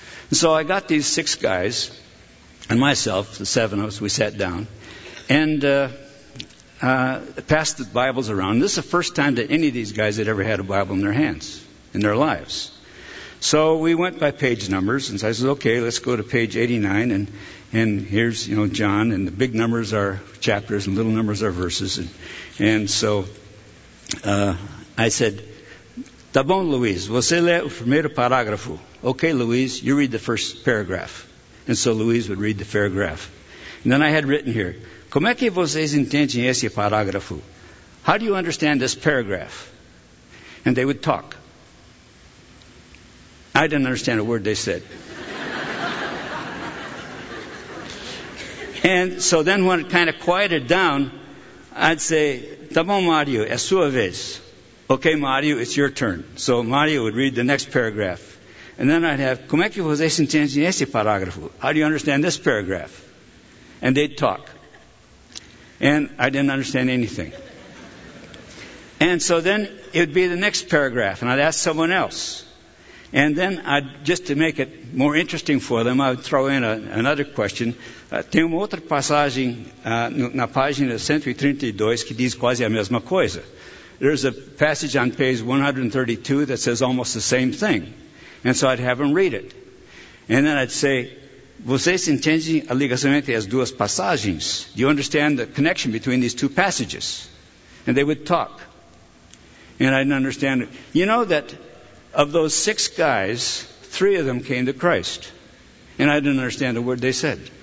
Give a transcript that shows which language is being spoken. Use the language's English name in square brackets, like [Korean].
[English] And so I got these 6 guys and myself, the 7 of us, we sat down and passed the Bibles around. This is the first time that any of these guys had ever had a Bible in their hands, in their lives. So we went by page numbers, and so I said, okay, let's go to page 89, and here's, you know, John, and the big numbers are chapters and little numbers are verses. And so I said, [Portuguese] tá bom, Luiz, você lê o primeiro parágrafo. [English] Okay, Luiz, you read the first paragraph. And so Luiz would read the paragraph. And then I had written here, [Portuguese] como é que vocês entendem esse parágrafo? [English] How do you understand this paragraph? And they would talk. I didn't understand a word they said. And so then when it kind of quieted down, I'd say, [Portuguese] tá bom, Mario, é sua vez. [English] Okay, Mario, it's your turn. So Mario would read the next paragraph. And then I'd have, [Portuguese] como é que vocês entendem esse parágrafo? [English] How do you understand this paragraph? And they'd talk. And I didn't understand anything. And so then it would be the next paragraph, and I'd ask someone else. And then, I'd just to make it more interesting for them, I'd throw in another question. [Portuguese] Tem uma outra passagem na página 132 que diz quase a mesma coisa. [English] There's a passage on page 132 that says almost the same thing. And so I'd have them read it. And then I'd say, [Portuguese] vocês entendem a ligação entre as duas passagens? [English] Do you understand the connection between these two passages? And they would talk. And I didn't understand it. You know that of those 6 guys, 3 of them came to Christ. And I didn't understand a word they said.